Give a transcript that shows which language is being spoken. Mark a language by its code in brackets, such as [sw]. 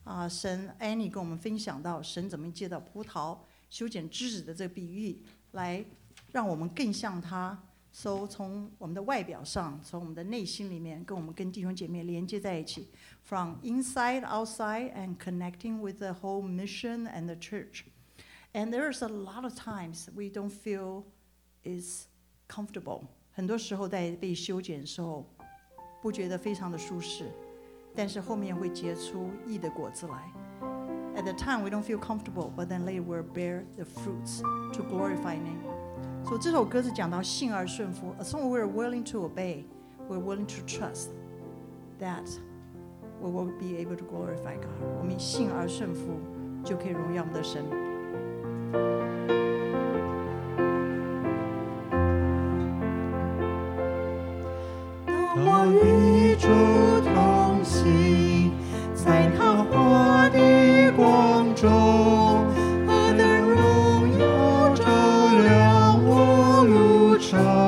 [zh] 神 Annie 跟我们分享到神怎么借着葡萄修剪枝子的这个比喻来让我们更像他。 So, 从我们的外表上，从我们的内心里面，跟我们跟弟兄姐妹连接在一起。 [en] From inside, outside, and connecting with the whole mission and the church. And there's a lot of times we don't feel is comfortable. [zh] 很多时候在被修剪的时候，不觉得非常的舒适，但是后面会结出义的果子来。 [en] At the time we don't feel comfortable, but then later we'll bear the fruits to glorify name. [zh] So 这首歌是讲到信而顺服。 [en] As long as we're willing to obey, we're willing to trust that. We will be able to glorify God. [zh] 我们信而顺服，就可以荣耀我们的神。当我与主同行，在他花的光中，他的荣耀照亮我路程。